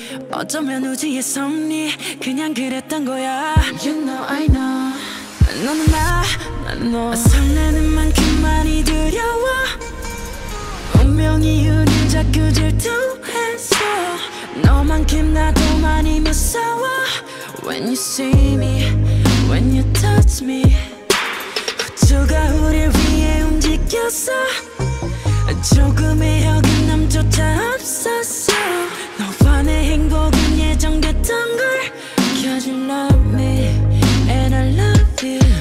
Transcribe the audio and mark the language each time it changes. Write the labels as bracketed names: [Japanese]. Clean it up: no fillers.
[Korean] 어쩌면 우주의 섭리 그냥 그랬던 거야. [English] You know I know [Korean] 너는 나 난 너 설레는 만큼 많이 두려워. 운명이 우릴 자꾸 질투했어. 너만큼 나도 많이 무서워. [English] When you see me, when you touch me, [Korean] 우주가 우릴 위해 움직였어. 조금의 여긴함조차 없었어. 너와 내 행복은 예정됐던 걸. [English] 'Cause you love me and I love you.